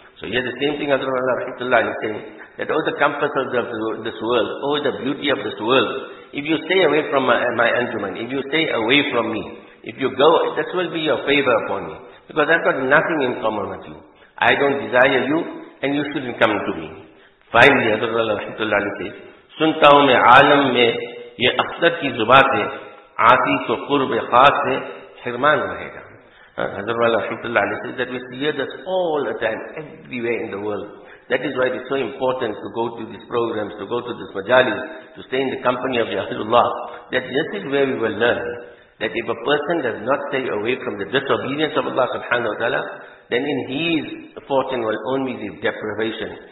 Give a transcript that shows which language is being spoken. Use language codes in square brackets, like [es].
[en] So here the same thing Hazrat Allah rahmatullah is saying that, oh, the compass of this world, oh, the beauty of this world, if you stay away from my anjuman, if you stay away from me, if you go, this will be your favor upon me. Because I've got nothing in common with you. I don't desire you, and you shouldn't come to me. Finally, Hazrat Allah rahmatullah says, [ur] سنتا ہوں میں عالم میں یہ اکثر کی زبان سے آتی تو قرب خاص سے حرمان رہے گا. [en] Hazrat Allah rahmatullah says that we hear this all the time, everywhere in the world. That is why it is so important to go to these programs, to go to this majalis, to stay in the company of the Ahlullah. That this is where we will learn that if a person does not stay away from the disobedience of Allah subhanahu wa ta'ala, then in his fortune will only be deprivation.